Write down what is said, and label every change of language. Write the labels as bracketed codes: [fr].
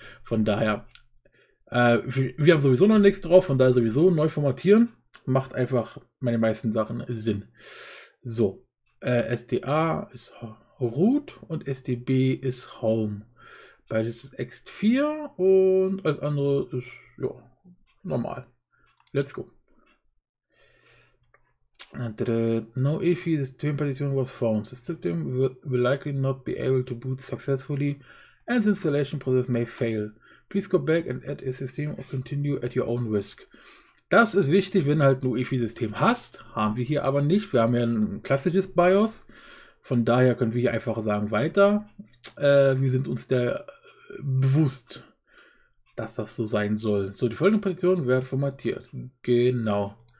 [de] Von daher, wir haben sowieso noch nichts drauf, von daher sowieso neu formatieren, macht einfach meine meisten Sachen Sinn. So, SDA ist Root und SDB ist Home. Beides ist ext4 und alles andere ist, ja, normal. [en] Let's go. No EFI system partition was found. The system will likely not be able to boot successfully and the installation process may fail. Please go back and add a system or continue at your own risk. [de] Das ist wichtig, wenn du halt ein UEFI-System hast. Haben wir hier aber nicht. Wir haben ja ein klassisches BIOS. Von daher können wir hier einfach sagen, weiter. Wir sind uns der bewusst, dass das so sein soll. So, die folgenden Partitionen werden formatiert. Genau.